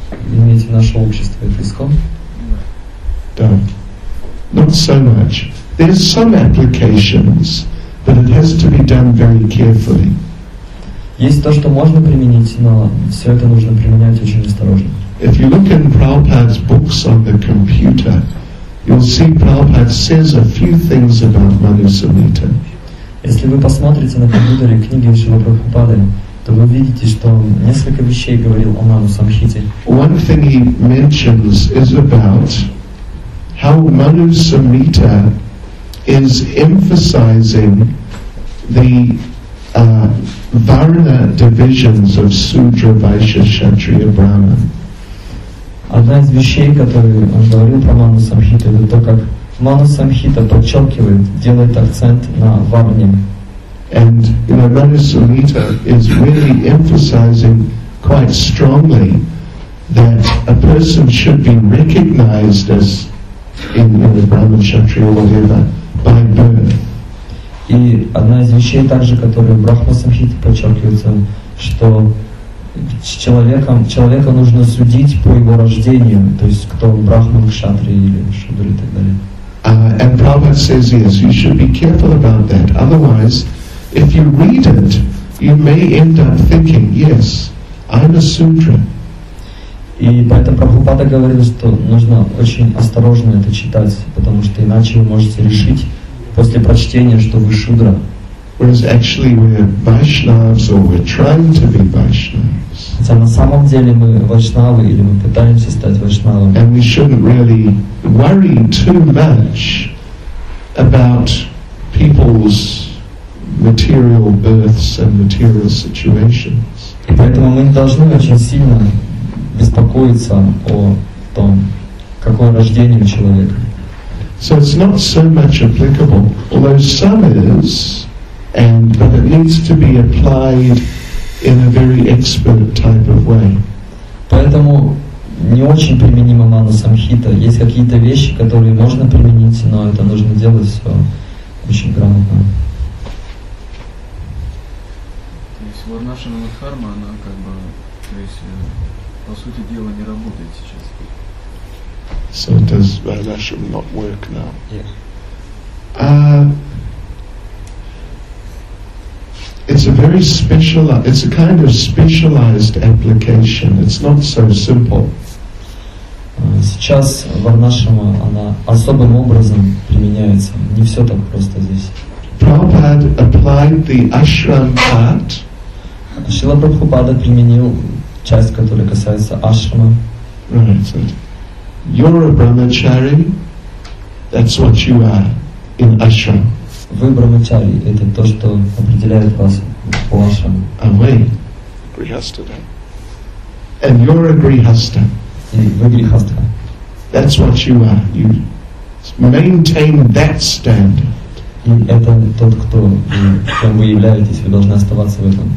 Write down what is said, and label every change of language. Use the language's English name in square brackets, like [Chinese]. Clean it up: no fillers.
[Russian] Вы имеете наше общество, это ISKCON? [English] No. Not so much. There's some applications, but it has to be done very carefully. [Russian] Есть то, что можно применить, но все это нужно применять очень осторожно. [English] If you look in Prabhupada's books on the computer, you'll see Prabhupada says a few things about Ману Самхита. [Russian] Если вы посмотрите на компьютере книги Шрила Прабхупады, то вы видите, что он несколько вещей говорил о Ману Самхите. [English] One thing he mentions is about how Ману Самхита is emphasizing the varna divisions of Sudra, Vaishya, Kshatriya, Brahman. [Russian] Одна из вещей, которые он говорил про Ману Самхиту, это то, как Ману Самхита подчеркивает, делает акцент на варне. [English] And you know, Ману Самхита is really emphasizing quite strongly that a person should be recognized as in the Brahman Kshatriya or whatever by birth. [Russian] И одна из вещей также, которую Брахма Самхита подчеркивается, что человека нужно судить по его рождению, то есть кто он, Брахман, Кшатри или Шудра и так далее. [English] And Prabhupada says yes, you should be careful about that. Otherwise, if you read it, you may end up thinking, yes, I'm a sutra. [Russian] И поэтому Прабхупада говорил, что нужно очень осторожно это читать, потому что иначе вы можете решить после прочтения, что вы шудра. [English] Whereas actually we're Vaishnavas or we're trying to be Vaishnavas. [Russian] Хотя на самом деле мы Вайшнавы или мы пытаемся стать Вайшнавами. [English] And we shouldn't really worry too much about people's material births and material situations. [Russian] И поэтому мы не должны очень сильно беспокоиться о том, какое рождение у человека. [English] So it's not so much applicable, although some is, and but it needs to be applied in a very expert type of way. [Russian] Поэтому не очень применима мана самхита. Есть какие-то вещи, которые можно применить, но это нужно делать все очень грамотно. Варнашана Дхарма, она как бы, то есть, по сути дела, не работает сейчас. [English] So does Varnashram not work now? Yeah. It's a very specialized, it's a kind of specialized application. It's not so simple. [Russian] Сейчас Варнашрама, она особым образом применяется. Не все так просто здесь. [English] Prabhupada applied the ashram part. [Russian] Шрила Прабхупада применил часть, которая касается ашрама. [English] Right, so you're a brahmachari, that's what you are in ashram. [Russian] Вы брахмачари, это то, что определяет вас по ашраму. А вы? Грихаста, да? [English] And you're a грихаста. [Russian] И вы грихаста. [English] That's what you are. You maintain that standard. [Russian] И это тот, кто, кем вы являетесь, вы должны оставаться в этом